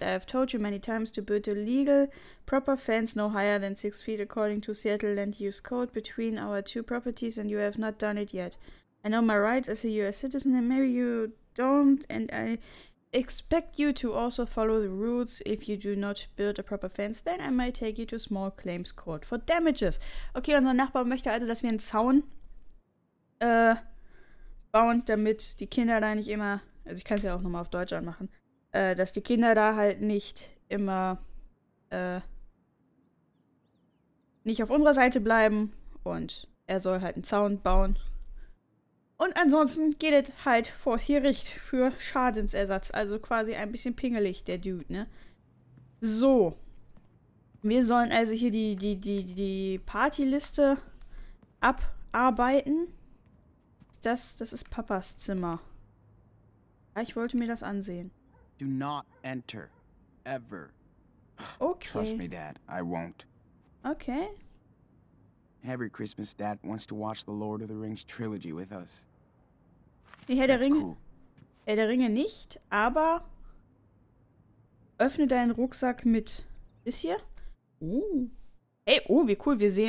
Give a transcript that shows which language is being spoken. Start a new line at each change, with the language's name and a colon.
English: I have told you many times to build a legal, proper fence no higher than 6 feet according to Seattle Land Use Code between our two properties and you have not done it yet. I know my rights as a US citizen and maybe you don't and I expect you to also follow the rules. If you do not build a proper fence, then I might take you to small claims court for damages.
German: Okay, unser Nachbar möchte also, dass wir einen Zaun bauen, damit die Kinder da nicht immer, also ich kann es ja auch nochmal auf Deutsch anmachen, dass die Kinder da halt nicht immer nicht auf unserer Seite bleiben und er soll halt einen Zaun bauen. Und ansonsten geht es halt vor Gericht für Schadensersatz. Also quasi ein bisschen pingelig, der Dude, ne? So. Wir sollen also hier die Partyliste abarbeiten. Das ist Papas Zimmer. Ja, ich wollte mir das ansehen.
English: Do not enter. Ever. Okay. Trust me, Dad. I won't. Okay. Every Christmas, Dad wants to watch the Lord of the Rings trilogy with us.
German: Nee, Herr der Ringe. Cool. Herr der Ringe nicht, aber öffne deinen Rucksack mit. Ist hier? Ey, oh, wie cool.